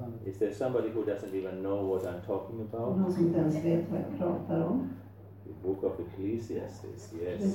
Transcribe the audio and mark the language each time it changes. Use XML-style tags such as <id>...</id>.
<en>Is there somebody who doesn't even know what I'm talking about?</en> <sv>Någon som inte ens vet vad jag pratar om.</sv> <en>The book of Ecclesiastes, yes.</en>